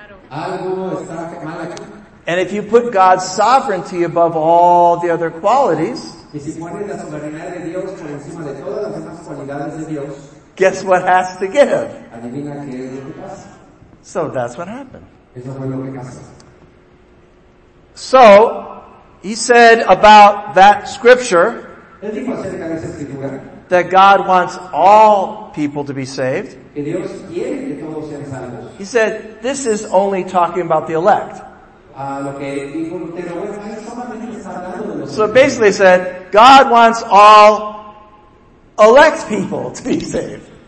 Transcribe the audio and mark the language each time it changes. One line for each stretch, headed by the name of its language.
Spanish: Algo está mal aquí.
English: And if you put God's sovereignty above all the other qualities,
Spanish: y si pones la soberanía de Dios por encima de todas las demás cualidades de Dios,
English: guess what has to give?
Spanish: Adivina qué es lo que pasa.
English: So that's what happened.
Spanish: Eso fue lo que pasó.
English: So, he said about that scripture,
Spanish: él dijo acerca de esa escritura,
English: that God wants all people to be saved.
Spanish: Que Dios quiere que todos sean salvos.
English: He said, this is only talking about the elect.
Spanish: Lo que dijo Lutero, bueno, solamente está hablando de los
English: so basically he said, God wants all elect people to be saved.